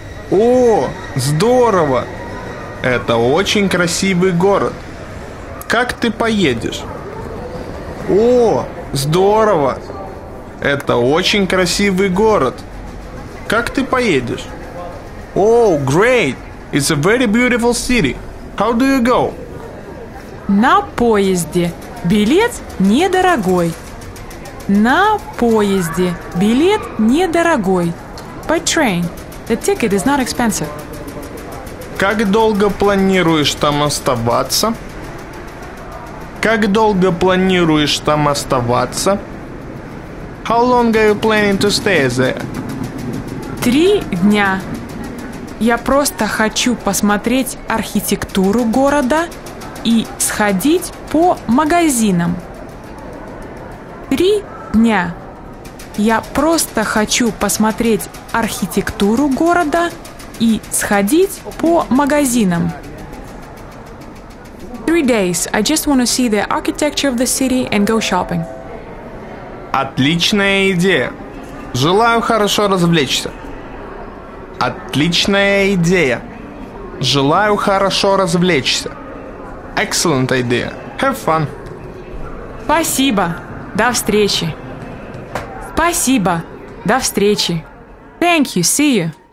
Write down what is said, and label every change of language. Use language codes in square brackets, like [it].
[ru] О, здорово! Это очень красивый город. Как ты поедешь? О, здорово! Это очень красивый город. Как ты поедешь? [en] Oh, great! It's a very beautiful city. How do you go? [ru] На поезде. Билет недорогой. На поезде. Билет недорогой. [en] By train. The ticket is not expensive. [ru] Как долго планируешь там оставаться? Как долго планируешь там оставаться? [en] How long are you planning to stay there? [ru] 3 дня. Я просто хочу посмотреть архитектуру города и сходить по магазинам. 3 дня. Я просто хочу посмотреть архитектуру города и сходить по магазинам. [en] 3 days. I just want to see the architecture of the city and go shopping. [ru] Отличная идея. Желаю хорошо развлечься. Отличная идея. Желаю хорошо развлечься. [en] Excellent idea. Have fun. [ru] Спасибо. До встречи. Спасибо. До встречи. [en] Thank you. See you.